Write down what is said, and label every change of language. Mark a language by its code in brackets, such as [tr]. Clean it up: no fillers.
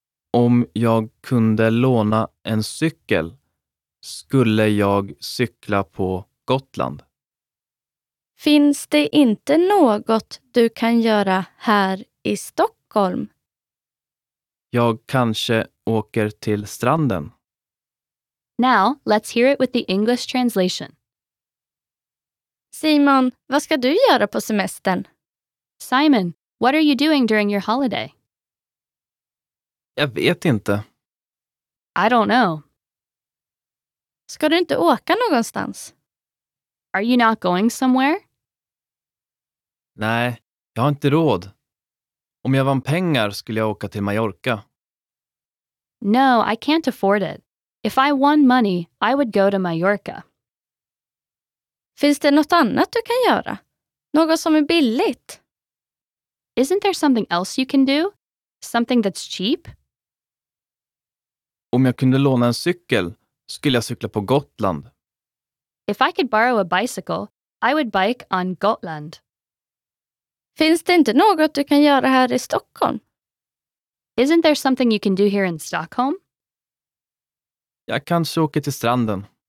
[sv] Om jag kunde låna en cykel skulle jag cykla på Gotland. Finns det inte något du kan göra här i Stockholm? Jag kanske åker till stranden. [en] Now, let's hear it with the English translation. [sv] Simon, vad ska du göra på semestern? [en] Simon, what are you doing during your holiday? [sv] Jag vet inte. [en] I don't know. [sv] Ska du inte åka någonstans? [en] Are you not going somewhere? [sv] Nej, jag har inte råd. Om jag vann pengar skulle jag åka till Mallorca. [en] No, I can't afford it. If I won money, I would go to Mallorca. [sv] Finns det något annat du kan göra? Något som är billigt? [en] Isn't there something else you can do? Something that's cheap? [sv] Om jag kunde låna en cykel skulle jag cykla på Gotland. [en] If I could borrow a bicycle, I would bike on Gotland. [sv] Finns det inte något du kan göra här i Stockholm? [en] Isn't there something you can do here in Stockholm? [sv] Jag kanske åker till stranden.